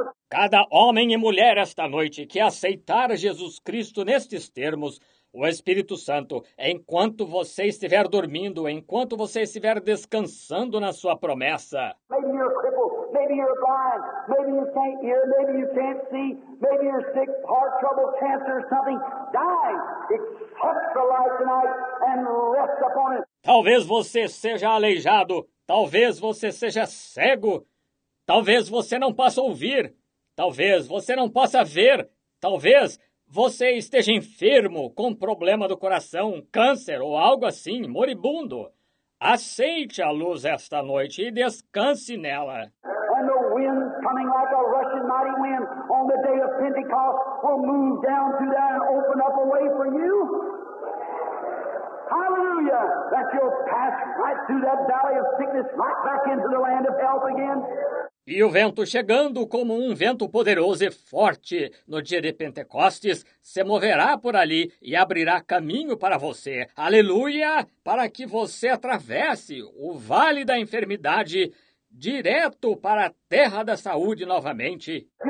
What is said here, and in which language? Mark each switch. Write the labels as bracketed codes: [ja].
[pt] Cada homem e mulher esta noite que aceitar Jesus Cristo nestes termos, o Espírito Santo, enquanto você estiver dormindo, enquanto você estiver descansando na sua promessa. [en] Maybe you're crippled, maybe you're blind, maybe you can't hear, maybe you can't see, maybe you're sick, heart trouble, cancer or something. Die! Accept the light tonight and rest upon it. [pt] Talvez você seja aleijado, talvez você seja cego, talvez você não possa ouvir, talvez você não possa ver, talvez você esteja enfermo, com problema do coração, câncer ou algo assim, moribundo. Aceite a luz esta noite e descanse nela. [en] And the wind coming like a rushing mighty wind on the day of Pentecost will move down to that and open up a way for you. Hallelujah! That you'll pass right through that valley of sickness right back into the land of health again. [pt] E o vento chegando como um vento poderoso e forte no dia de Pentecostes se moverá por ali e abrirá caminho para você, aleluia, para que você atravesse o vale da enfermidade direto para a terra da saúde novamente.